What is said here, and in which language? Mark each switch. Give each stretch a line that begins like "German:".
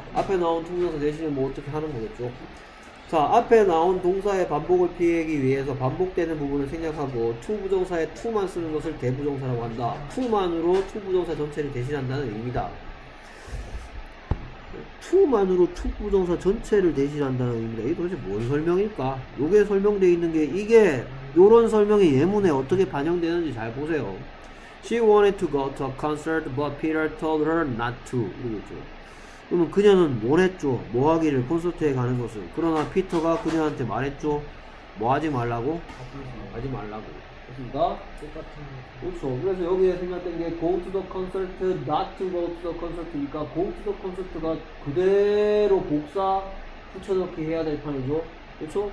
Korean: 앞에 나온 동사 대신에 뭐 어떻게 하는 거겠죠. 자 앞에 나온 동사의 반복을 피하기 위해서 반복되는 부분을 생략하고 to 부정사의 to만 쓰는 것을 대부정사라고 한다. to만으로 to 부정사 전체를 대신한다는 의미다. to만으로 to 부정사 전체를 대신한다는 의미다. 이게 도대체 뭔 설명일까? 요게 설명되어 있는 게 이게 요런 설명이 예문에 어떻게 반영되는지 잘 보세요.
English: She wanted to go to a concert but Peter told her not to.
Korean: 이거죠. 그러면 그녀는 뭘 했죠? 뭐 하기를 콘서트에 가는 것을 그러나 피터가 그녀한테 말했죠? 뭐 하지 말라고? 하지 말라고 그렇습니까? 그렇죠 그래서 여기에 생각된 게 go to the concert not to go to the concert니까 go to the concert가 그대로 복사 붙여넣기 해야 될 판이죠 그렇죠?